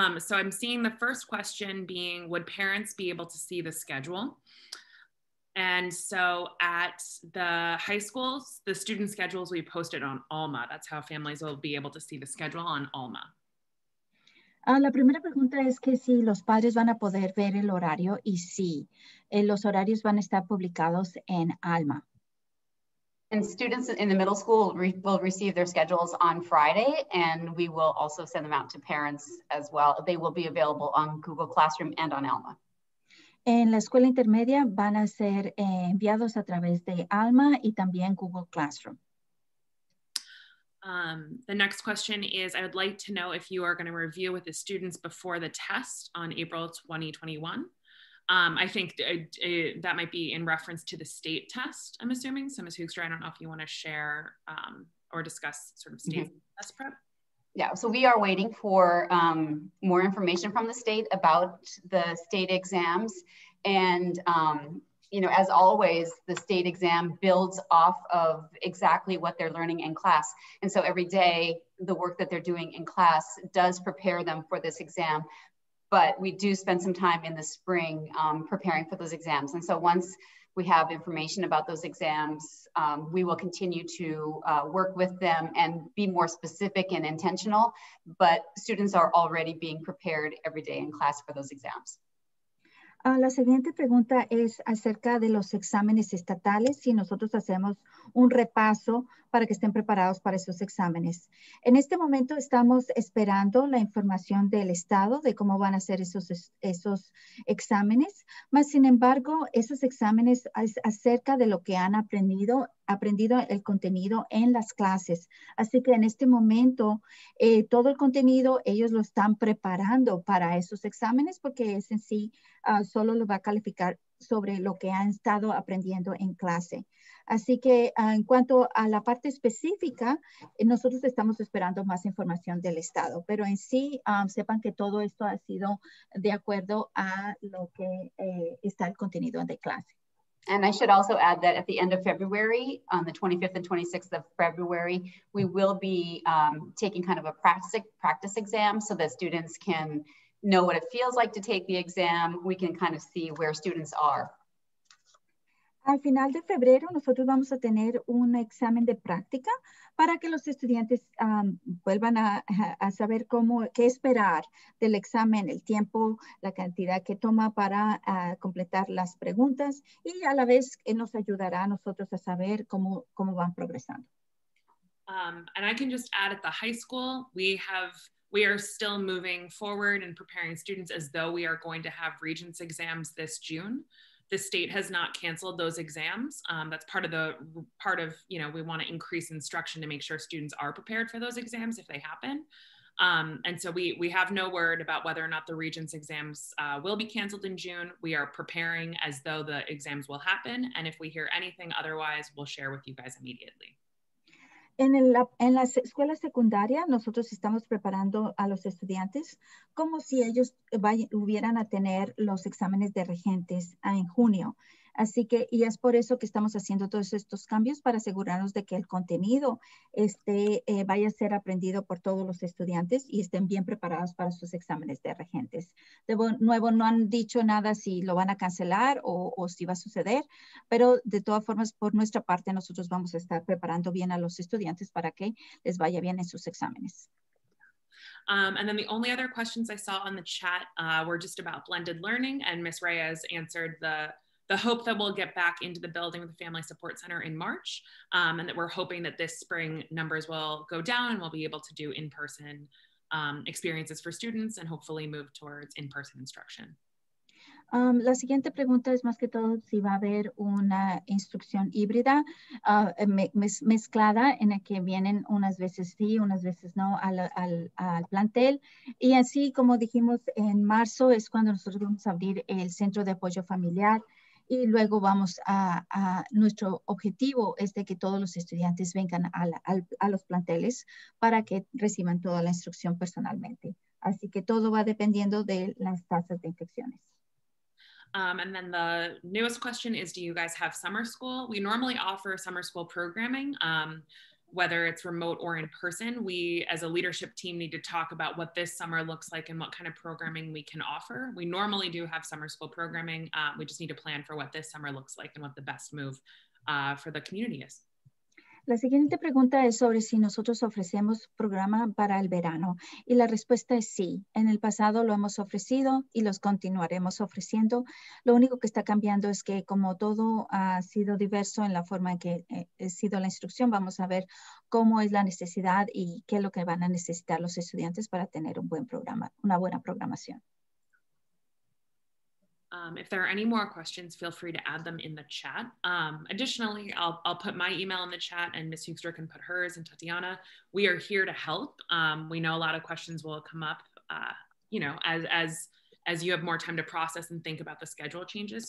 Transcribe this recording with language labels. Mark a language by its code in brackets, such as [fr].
[en] So I'm seeing the first question being, would parents be able to see the schedule? And so at the high schools, the student schedules will be posted on ALMA. That's how families will be able to see the schedule on ALMA. [es] La primera pregunta es que si los padres van a poder ver el horario, y sí, los horarios van a estar publicados en ALMA. [en] And students in the middle school will receive their schedules on Friday, and we will also send them out to parents as well. They will be available on Google Classroom and on ALMA. [es] En la escuela intermedia van a ser enviados a través de ALMA y también Google Classroom. [en] The next question is, I would like to know if you are going to review with the students before the test on April 2021. I think that might be in reference to the state test, I'm assuming. So Ms. Hoekstra, I don't know if you want to share or discuss sort of state test prep. Yeah, so we are waiting for more information from the state about the state exams. And you know, as always, the state exam builds off of exactly what they're learning in class. And so every day, the work that they're doing in class does prepare them for this exam. But we do spend some time in the spring preparing for those exams. And so once we have information about those exams, we will continue to work with them and be more specific and intentional. But students are already being prepared every day in class for those exams. [es] La siguiente pregunta es acerca de los exámenes estatales, si nosotros hacemos un repaso para que estén preparados para esos exámenes. En este momento estamos esperando la información del estado de cómo van a ser esos exámenes, mas sin embargo, esos exámenes es acerca de lo que han aprendido el contenido en las clases. Así que en este momento, todo el contenido, ellos lo están preparando para esos exámenes porque es en sí solo lo va a calificar sobre lo que han estado aprendiendo en clase. Así que en cuanto a la parte específica, nosotros estamos esperando más información del Estado, pero en sí sepan que todo esto ha sido de acuerdo a lo que está el contenido de clase. [en] And I should also add that at the end of February, on the 25th and 26th of February, we will be taking kind of a practice exam so that students can know what it feels like to take the exam. We can kind of see where students are. [es] Al final de febrero, nosotros vamos a tener un examen de práctica para que los estudiantes vuelvan a saber cómo, qué esperar del examen, el tiempo, la cantidad que toma para completar las preguntas y a la vez nos ayudará a nosotros a saber cómo van progresando. [en] And I can just add, at the high school, we are still moving forward and preparing students as though we are going to have Regents exams this June. The state has not canceled those exams. That's part of, you know, we want to increase instruction to make sure students are prepared for those exams if they happen. And so we have no word about whether or not the Regents exams will be canceled in June. We are preparing as though the exams will happen. And if we hear anything otherwise, we'll share with you guys immediately. [es] En la escuela secundaria, nosotros estamos preparando a los estudiantes como si ellos hubieran a tener los exámenes de regentes en junio. Así que, y es por eso que estamos haciendo todos estos cambios para asegurarnos de que el contenido vaya a ser aprendido por todos los estudiantes y estén bien preparados para sus exámenes de regentes. De nuevo, no han dicho nada si lo van a cancelar o si va a suceder, pero de todas formas, por nuestra parte, nosotros vamos a estar preparando bien a los estudiantes para que les vaya bien en sus exámenes. [en] And then the only other questions I saw on the chat were just about blended learning, and Ms. Reyes answered the hope that we'll get back into the building with the Family Support Center in March, and that we're hoping that this spring numbers will go down and we'll be able to do in-person experiences for students and hopefully move towards in-person instruction. [es] La siguiente pregunta es más que todo si va a haber una instrucción híbrida mezclada en la que vienen unas veces sí, unas veces no al plantel. Y así, como dijimos, en marzo es cuando nosotros vamos a abrir el Centro de Apoyo Familiar. Y luego vamos a nuestro objetivo es de que todos los estudiantes vengan a los planteles para que reciban toda la instrucción personalmente. Así que todo va dependiendo de las tasas de infecciones. [en] And then the newest question is, do you guys have summer school? We normally offer summer school programming, whether it's remote or in person. We, as a leadership team, need to talk about what this summer looks like and what kind of programming we can offer. We normally do have summer school programming. We just need to plan for what this summer looks like and what the best move for the community is. [es] La siguiente pregunta es sobre si nosotros ofrecemos programa para el verano. Y la respuesta es sí. En el pasado lo hemos ofrecido y los continuaremos ofreciendo. Lo único que está cambiando es que, como todo ha sido diverso en la forma en que ha sido la instrucción, vamos a ver cómo es la necesidad y qué es lo que van a necesitar los estudiantes para tener un buen programa, una buena programación. [en] If there are any more questions, feel free to add them in the chat. Additionally, I'll put my email in the chat and Ms. Hoekstra can put hers and Tatiana. We are here to help. We know a lot of questions will come up, as you have more time to process and think about the schedule changes.